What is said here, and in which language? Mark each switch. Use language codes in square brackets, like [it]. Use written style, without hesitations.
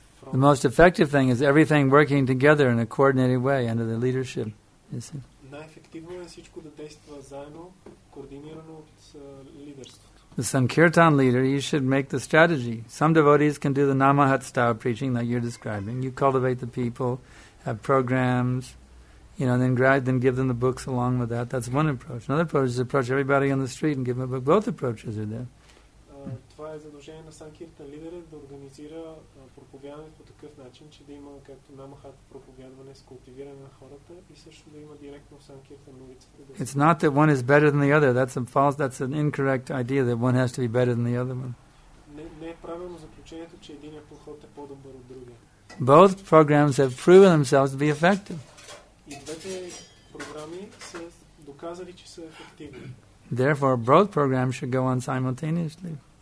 [en] The most effective thing is everything working together in a coordinated way under the leadership. [bg] Най-ефективно е всичко да действа заедно, координирано от лидерството. [en] The Sankirtan leader, you should make the strategy. Some devotees can do the Namahat style preaching that you're describing. You cultivate the people, have programs, you know, and then give them the books along with that. That's one approach. Another approach is to approach everybody on the street and give them a book. Both approaches are there. [bg] Това е задължение на Sankirtan лидера да организира проповядване по такъв начин, че да има както Намахат проповядване с култивиране на хората и също да има директно в Sankirtan улицата. [en] It's not that one is better than the other. That's a false, that's an incorrect idea that one has to be better than the other one. [bg] Не е правилно заключението, че един подход е по-добър от другия. [en] Both programs have proven themselves to be effective. [bg] И двете програми са доказали, че са ефективни. [en] Therefore, both programs should go on simultaneously.